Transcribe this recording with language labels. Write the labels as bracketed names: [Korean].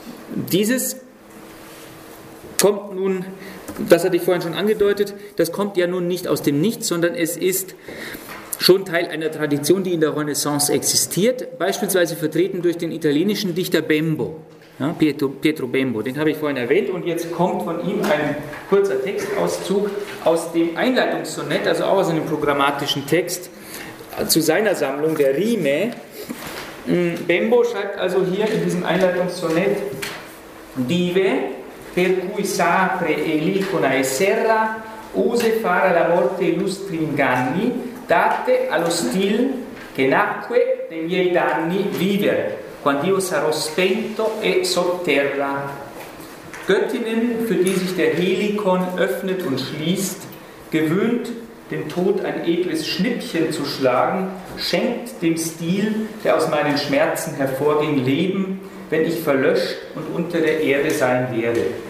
[German] Dieses kommt nun, das hatte ich vorhin schon angedeutet, das kommt ja nun nicht aus dem Nichts, sondern es ist schon Teil einer Tradition, die in der Renaissance existiert, beispielsweise vertreten durch den italienischen Dichter Bembo, ja, Pietro Bembo, den habe ich vorhin erwähnt, und jetzt kommt von ihm ein kurzer Textauszug aus dem Einleitungssonett, also auch aus einem programmatischen Text, zu seiner Sammlung, der Rime. Bembo schreibt also hier in diesem Einleitungssonett: [Italian] Dive, per cui s'apre e l'icona e serra, use fare alla morte illustri inganni, date allo stil che nacque dei miei danni viver, quando io sarò spento e sotterra. [German] Göttinnen, für die sich der Helikon öffnet und schließt, gewöhnt dem Tod ein edles Schnippchen zu schlagen, schenkt dem Stil, der aus meinen Schmerzen hervorging, Leben, wenn ich verlöscht und unter der Erde sein werde.